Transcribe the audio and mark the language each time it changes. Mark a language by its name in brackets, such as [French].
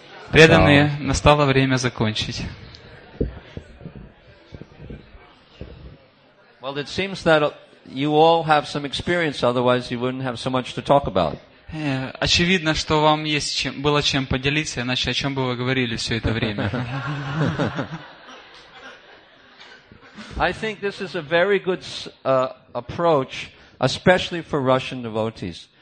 [Russian] Преданные, настало время закончить. [English] Well, it seems that you all have some experience, otherwise you wouldn't have so much to talk about. [Russian] Очевидно, что вам есть чем, было чем поделиться, иначе о чем бы вы говорили все это время. [English] I think this is a very good approach, especially for Russian devotees.